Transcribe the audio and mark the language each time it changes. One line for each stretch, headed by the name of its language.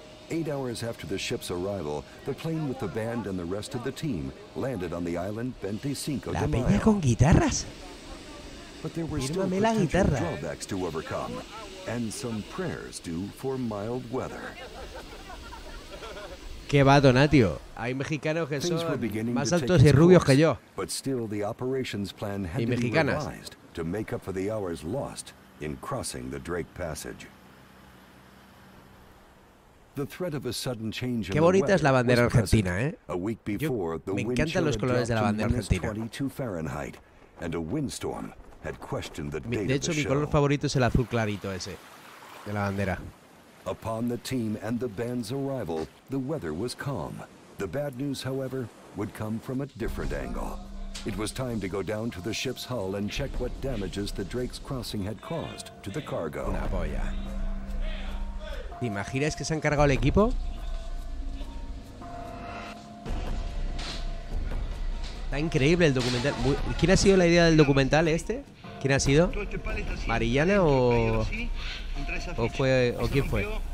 English: 8 hours after the ship's arrival, the plane with the band and the rest of the team landed on the island 25 de Mayo.
Spanish: La peña con guitarras.
English: But there were still potential drawbacks to overcome, and some prayers due for mild weather.
Spanish: Qué va, Donatio. Hay mexicanos que son más altos y rubios que yo.
English: But still, the operations plan had to be revised to make up for the hours lost in crossing the Drake Passage. The threat of a sudden change.
Spanish: Qué bonita es la bandera argentina, ¿eh? Yo, me encantan los colores de la bandera argentina. De hecho, mi color favorito es el azul clarito ese de la bandera.
English: Upon the team and the band's arrival, the weather was calm. The bad news, however, would come from a different angle. It was time to go down to the ship's hull and check what damages the Drake's crossing had caused to the cargo.
Spanish: Una polla. ¿Te imaginas que se han cargado el equipo? Está increíble el documental. ¿Quién ha sido la idea del documental este? ¿Quién ha sido? ¿Marillana o...? ¿O fue...? ¿O quién fue?